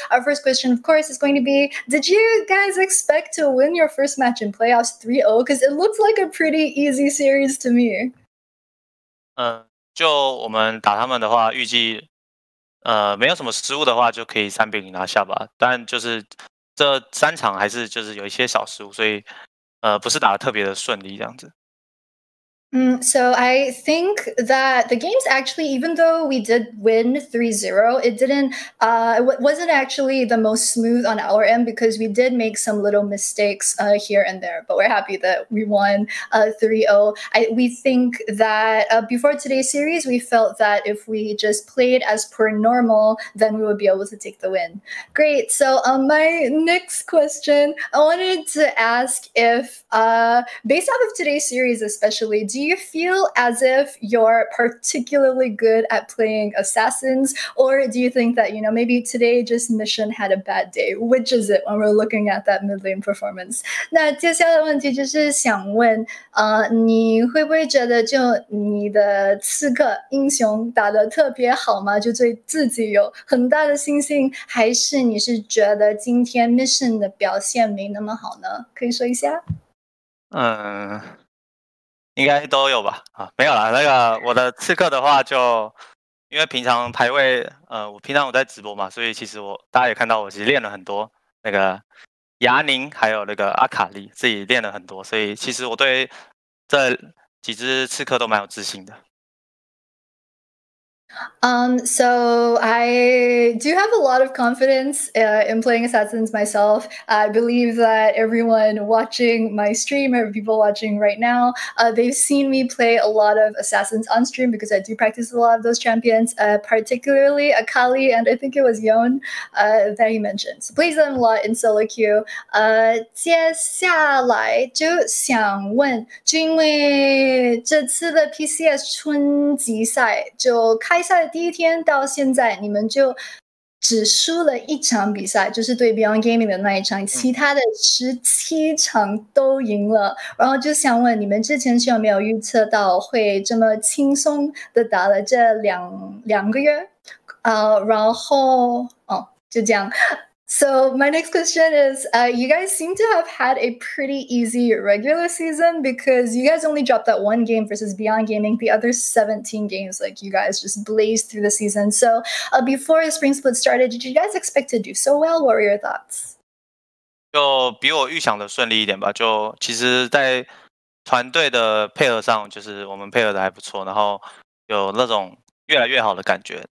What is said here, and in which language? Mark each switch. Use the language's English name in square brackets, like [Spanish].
[English] Our first question, of course, is going to be: Did you guys expect to win your first match in playoffs 3-0? Because it looks like a pretty easy series to me. [Chinese] 就我们打他们的话，预计没有什么失误的话，就可以3-0拿下吧。但就是。这三场还是就是有一些小失误，所以不是打得特别的顺利这样子。 [English] So I think that the game's actually, even though we did win 3-0, it didn't, wasn't actually the most smooth on our end because we did make some little mistakes here and there. But we're happy that we won 3-0. We think that before today's series, we felt that if we just played as per normal, then we would be able to take the win. Great. So my next question, I wanted to ask if, based off of today's series especially, Do you feel as if you're particularly good at playing assassins, or do you think that you know maybe today just mission had a bad day? Which is it when we're looking at that mid lane performance? [Chinese] 那接下来的问题就是想问，你会不会觉得就你的刺客英雄打得特别好吗？就对自己有很大的信心，还是你是觉得今天 mission 的表现没那么好呢？可以说一下。应该都有吧？啊，没有啦。那个我的刺客的话就，因为平常排位，我平常我在直播嘛，所以其实我大家也看到我其实练了很多那个雅宁，还有那个阿卡丽，自己练了很多，所以其实我对这几只刺客都蛮有自信的。 [English] So I do have a lot of confidence in playing assassins myself. I believe that everyone watching my stream, or people watching right now, they've seen me play a lot of assassins on stream because I do practice a lot of those champions, particularly Akali, and I think it was Yone that he mentioned. So plays them a lot in solo queue. [Chinese] 接下来就想问，就因为这次的 PCS 春季赛就开赛。在第一天到现在，你们就只输了一场比赛，就是对 Beyond Gaming 的那一场，其他的17场都赢了。然后就想问，你们之前是有没有预测到会这么轻松的打了这两个月？然后哦，就这样。 [English] So my next question is, you guys seem to have had a pretty easy regular season because you guys only dropped that one game versus Beyond Gaming. The other 17 games, like you guys just blazed through the season. So before the spring split started, did you guys expect to do so well? What were your thoughts? [Chinese] 就比我预想的顺利一点吧。就其实在团队的配合上，就是我们配合的还不错，然后有那种越来越好的感觉。